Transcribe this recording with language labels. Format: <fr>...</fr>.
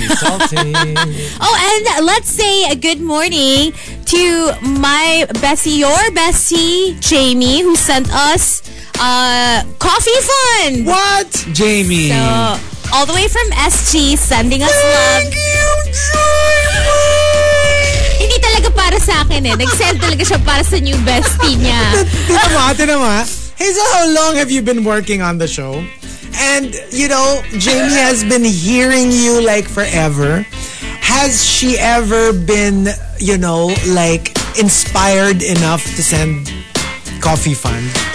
<en>Oh, and let's say a good morning to my bestie, your bestie, Jamie, who sent us coffee fund. What? Jamie. So, all the way from SG, sending us thank love. Thank you, Jamie.</en> <tl>Hindi talaga para sa akin eh. Nag-send talaga siya para sa new bestie niya. Tinama.</tl> <en>Hazel, how long have you been working on the show? And, you know, Jamie has been hearing you, like, forever. Has she ever been, you know, like, inspired enough to send coffee fund?</en>